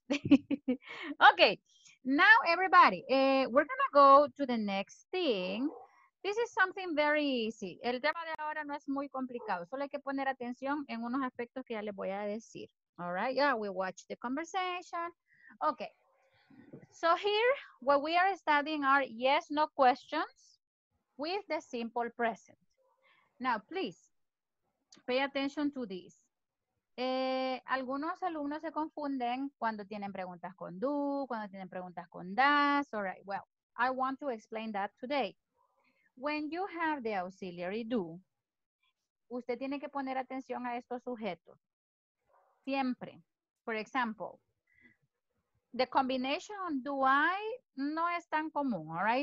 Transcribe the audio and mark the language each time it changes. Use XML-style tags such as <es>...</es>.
<en>Okay, now everybody, we're gonna go to the next thing. This is something very easy.</en> <es>El tema de ahora no es muy complicado. Solo hay que poner atención en unos aspectos que ya les voy a decir.</es> <en>All right, yeah, we watch the conversation. Okay, so here, what we are studying are yes, no questions with the simple present. Now, please, pay attention to this.</en> <es>Algunos alumnos se confunden cuando tienen preguntas con do, cuando tienen preguntas con does.</es> <en>All right, well, I want to explain that today. When you have the auxiliary do,</en> <es>usted tiene que poner atención a estos sujetos. Siempre.</es> <en>For example, the combination do I</en> <es>no es tan común,</es> <en>all right?</en>